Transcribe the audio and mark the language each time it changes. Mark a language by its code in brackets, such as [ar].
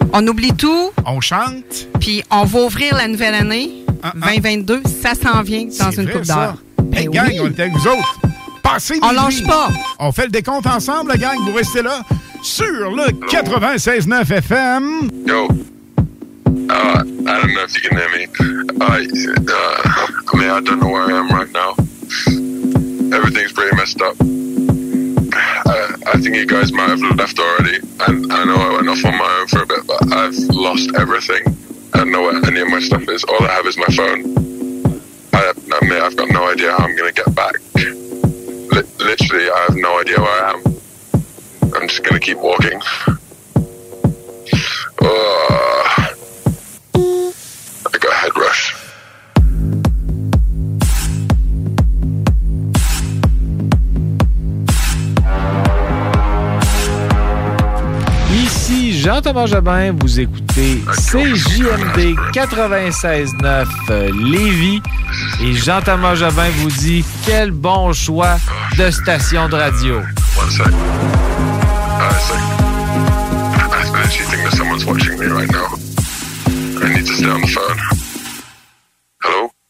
[fr] On oublie tout. On chante. Puis on va ouvrir la nouvelle année, 2022. Ça s'en vient dans c'est une coupe d'heure. Ben hey, gang, on est avec vous autres. On lâche pas. On fait le décompte ensemble, la gang. Vous restez là sur le 96.9 FM. [en] Yo. I don't know if you can hear me. I don't know where I am right now. Everything's pretty messed up. I think you guys might have left already. And I know I went off on my own for a bit, but I've lost everything. I don't know where any of my stuff is. All I have is my phone. I've got no idea how I'm going to get back. Literally, I have no idea where I am. I'm just gonna keep walking. Oh, I got a head rush. [fr] Ici Jean-Thomas Jobin, vous écoutez CJMD 96.9 Lévis. Et Jean-Thomas Jobin vous dit quel bon choix de station de radio. [en] One sec. I actually think that someone's watching me right now. I need to stay on the phone. Hello?